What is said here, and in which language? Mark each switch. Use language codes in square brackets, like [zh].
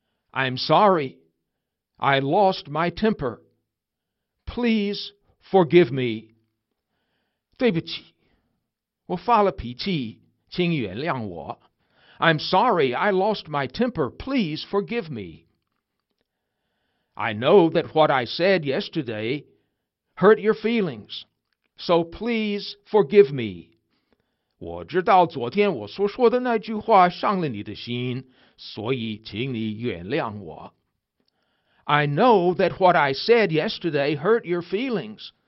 [en] I'm sorry, I lost my temper. Please forgive me. [zh] 对不起，我发了脾气，请原谅我。 [en] I'm sorry I lost my temper. Please forgive me. I know that what I said yesterday hurt your feelings. So please forgive me. [zh] 我知道昨天我所说的那句话伤了你的心，所以请你原谅我。 [en] I know that what I said yesterday hurt your feelings.